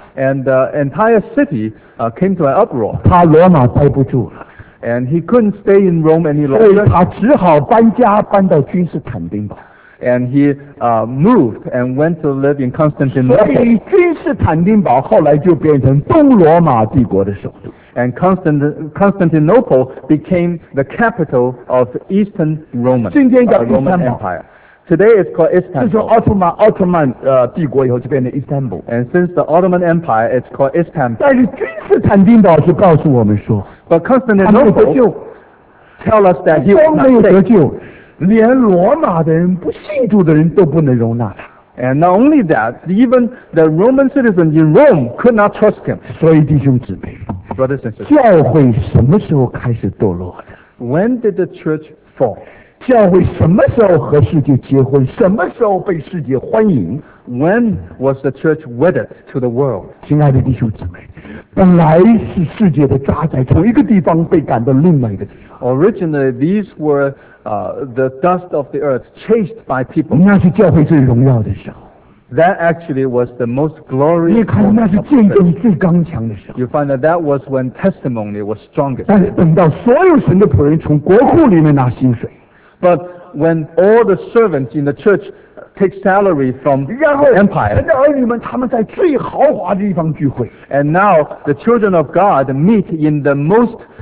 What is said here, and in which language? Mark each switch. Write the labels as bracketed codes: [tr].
[en] And the entire city came to an uproar. [zh] 他罗马待不住了。 [en] And he couldn't stay in Rome any longer. [zh] 所以他只好搬家，搬到君士坦丁堡。 [en] And he moved and went to live in Constantinople. [zh] 所以君士坦丁堡后来就变成东罗马帝国的首都。 [en] And Constantinople became the capital of Eastern Roman, [zh] 今天叫 [en] Roman Empire. Today it's called Istanbul. [zh] 自从奥特曼帝国以后就变成 Istanbul. [en] And since the Ottoman Empire, it's called Istanbul. [zh] 但是君士坦丁堡是告诉我们说 [en] ，But Constantinople tell us that he was not saved. [zh] 连罗马的人不信主的人都不能容纳他。 [en] And not only that, even the Roman citizens in Rome could not trust him. [zh] 所以弟兄姊妹 [en] ，brothers and sisters, [zh] 教会什么时候开始堕落的 [en] ？When did the church fall? [zh] 教会什么时候和世界结婚？什么时候被世界欢迎 [en] ？When was the church wedded to the world? [zh] 亲爱的弟兄姊妹，本来是世界的渣滓，从一个地方被赶到另外一个地方。 [en] Originally, these were the dust of the earth chased by people. [zh] 那是教会最荣耀的时候。 [en] That actually was the most glorious. [zh] 你看，那是见证最刚强的时候。 [en] You find that that was when testimony was strongest. [zh] 但是等到所有神的仆人从国库里面拿薪水。 [en] But when all the servants in the church take salary from the empire, [zh] 然后神的儿女们他们在最豪华的地方聚会。 [en] And now the children of God meet in the most